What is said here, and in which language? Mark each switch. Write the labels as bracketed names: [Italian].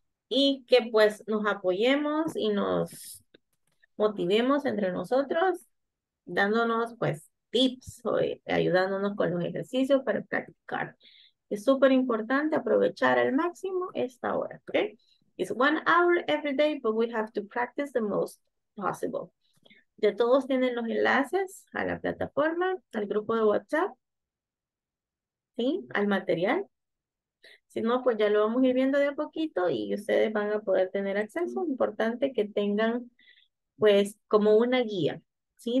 [Spanish] Y que pues nos apoyemos y nos motivemos entre nosotros, dándonos pues tips o ayudándonos con los ejercicios para practicar. Es súper importante aprovechar al máximo esta hora, ¿okay? [English] It's 1 hour every day, but we have to practice the most possible. [Spanish] Ya todos tienen los enlaces a la plataforma, al grupo de WhatsApp, ¿sí? Al material. Si no, pues ya lo vamos a ir viendo de a poquito y ustedes van a poder tener acceso. Importante que tengan, pues, como una guía, ¿sí?